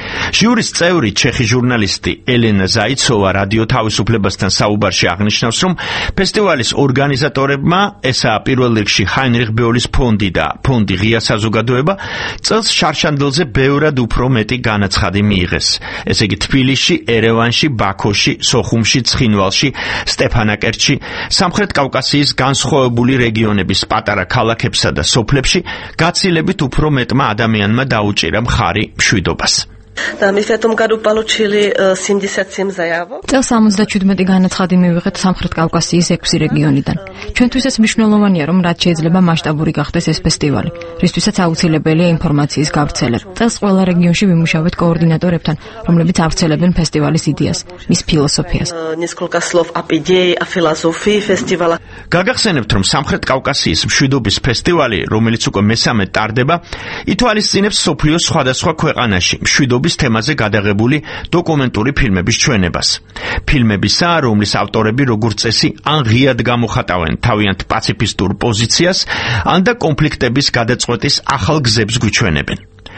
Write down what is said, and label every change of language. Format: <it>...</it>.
<ka>ჟიურის წევრი ჩეხი ჟურნალისტი ელენა ზაიცოვა რადიო თავისუფლებასთან საუბარში აღნიშნავს, რომ ფესტივალის ორგანიზატორებმა, ესაა პირველ რიგში ჰაინრიხ ბეოლის ფონდი და ფონდი ღია საზოგადოება, წელს შარშანდელზე ბევრად უფრო მეტი განაცხადი მიიღეს. ესე იგი თბილისში, ერევანში, ბაქოში, სოხუმში, ცხინვალში, სტეფანაკერტში, სამხრეთ კავკასიის განსხვავებული რეგიონების პატარა ქალაქებსა და სოფლებში გაცილებით უფრო მეტმა ადამიანმა დაუჭირა მხარი მშვიდობას.</ka> <ru>Да, мы в этом году получили 77 заявок.</ru> <ka>Цел 77 განაცხადი მივიღეთ სამხრეთ კავკასიის 6 რეგიონიდან. ჩვენთვის ეს მნიშვნელოვანია, რომ რაც შეიძლება მასშტაბური გახდეს ეს ფესტივალი, რისთვისაც აუცილებელია ინფორმაციის გავრცელება. წელს ყველა რეგიონში ვიმუშავეთ კოორდინატორებთან, რომლებიც აღწელებენ ფესტივალის იდეას, მის ფილოსოფიას.</ka> <ru>Несколько слов о идее, о философии фестиваля.</ru> <ka>გაგახსენებთ, რომ სამხრეთ კავკასიის მშვიდობის ფესტივალი, რომელიც უკვე მესამე ტარდება, ითვალისწინებს სოფლიოს სხვადასხვა ქვეყანაში. შვიდობის თემაზე გადაღებული დოკუმენტური ფილმების ჩვენებას. ფილმებისა, რომლის ავტორები როგორც წესი ან ღიად გამოხატავენ თავიანთ პაციფისტურ პოზიციას, ან და კონფლიქტების გადაწყვეტის ახალ გზებს გვიჩვენებენ.</ka>